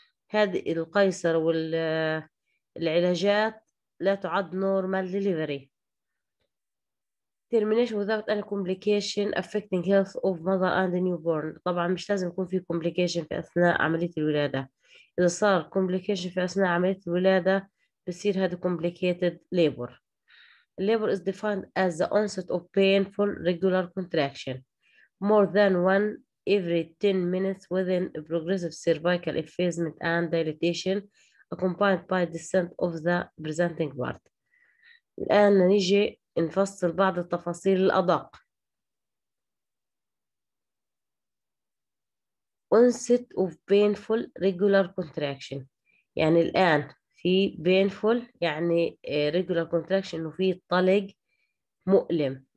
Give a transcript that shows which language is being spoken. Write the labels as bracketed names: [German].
[Arabic] هذه القيصر والعلاجات لا تعد [English] normal delivery. termination without any complication affecting health of mother and the newborn، [Arabic] طبعا مش لازم يكون في complication في أثناء عملية الولادة. إذا صار complication في أثناء عملية الولادة بصير هذا complicated labor. [English] labor is defined as the onset of painful regular contraction more than one every 10 minutes within a progressive cervical effacement and dilatation accompanied by descent of the presenting part. [Arabic] الآن نيجي نفصل بعض التفاصيل الأدق. [English] onset of painful regular contraction [Arabic] يعني الآن في [English] painful يعني regular contraction، [Arabic] وفي طلق مؤلم.